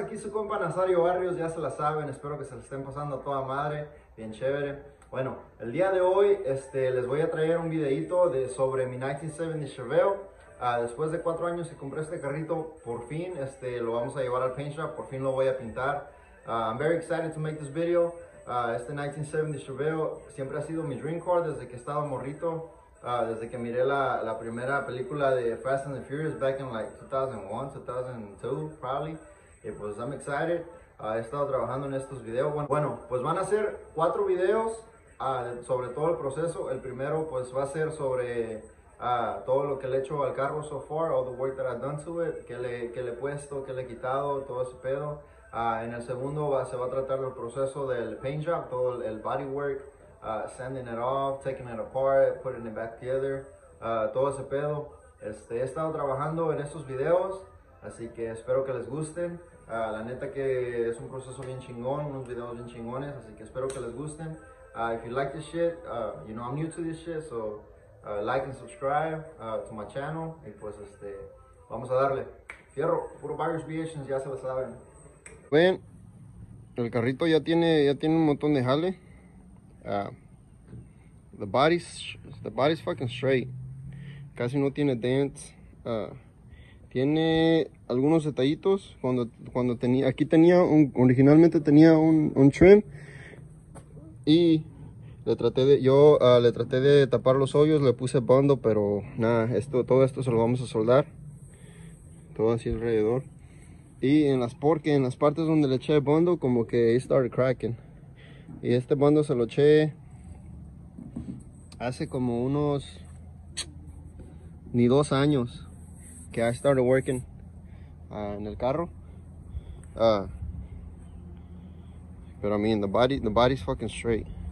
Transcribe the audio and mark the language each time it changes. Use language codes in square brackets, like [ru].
[es] Aquí su compa Nazario Barrios, ya se la saben, espero que se la estén pasando toda madre, bien chévere. Bueno, el día de hoy les voy a traer un videito sobre mi 1970 Chevelle. Después de 4 años que compré este carrito, por fin lo vamos a llevar al paint shop, por fin lo voy a pintar. [en] I'm very excited to make this video. [es] Este 1970 Chevelle siempre ha sido mi dream car desde que estaba morrito. Desde que miré la primera película de Fast and the Furious [en] back in like 2001, 2002, probably. [es] Y pues [en] I'm excited. [es] He estado trabajando en estos videos. Bueno, pues van a ser 4 videos sobre todo el proceso. El primero pues va a ser sobre todo lo que le he hecho al carro [en] so far, all the work that I've done to it, [es] que le he puesto, que le he quitado, todo ese pedo. En el segundo se va a tratar del proceso del paint job, todo el body work. [en] Sending it off, taking it apart, putting it back together, [es] todo ese pedo. He estado trabajando en estos videos, así que espero que les gusten. La neta que es un proceso bien chingón, unos videos bien chingones, así que espero que les gusten. [en] If you like this shit, you know I'm new to this shit, so like and subscribe to my channel. [es] Y pues vamos a darle. Fierro, puro Barrios Creations, ya se lo saben. Bueno, el carrito ya tiene un montón de jale. [en] The body's fucking straight. [es] Casi no tiene dents. Tiene algunos detallitos. Cuando tenía, aquí tenía un, originalmente tenía un trim. Y le traté de, yo le traté de tapar los hoyos. Le puse bundle, pero nada, todo esto se lo vamos a soldar. Todo así alrededor. Y en las, porque en las partes donde le eché bundle, como que [en] it started cracking. [es] Y este bando se lo eché hace como unos ni 2 años que [en] I started working [es] en el carro. [en] Pero I mean, the body's fucking straight.